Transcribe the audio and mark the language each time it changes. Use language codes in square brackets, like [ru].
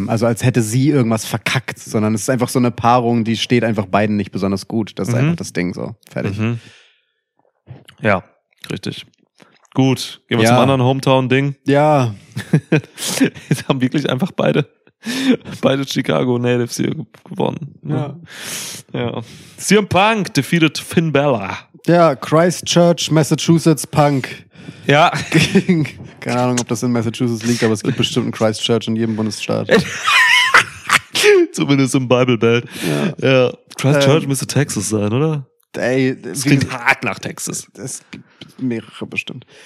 [de] Also als hätte sie irgendwas verkackt, sondern es ist einfach so eine Paarung, die steht einfach beiden nicht besonders gut. Das ist einfach das Ding, so. Fertig. Mhm. Ja, richtig. Gut, gehen wir zum anderen Hometown-Ding. Ja. Jetzt haben wirklich einfach beide Chicago Natives hier gewonnen. Ja. Ja. [en] CM Punk defeated Finn Bella. [de] Ja, Christchurch, Massachusetts Punk. Ja. Keine Ahnung, ob das in Massachusetts liegt, aber es gibt bestimmt einen Christchurch in jedem Bundesstaat. Zumindest im Bible Belt. Ja. Ja. Christchurch müsste Texas sein, oder? Ey, das klingt hart nach Texas. Es gibt mehrere bestimmt.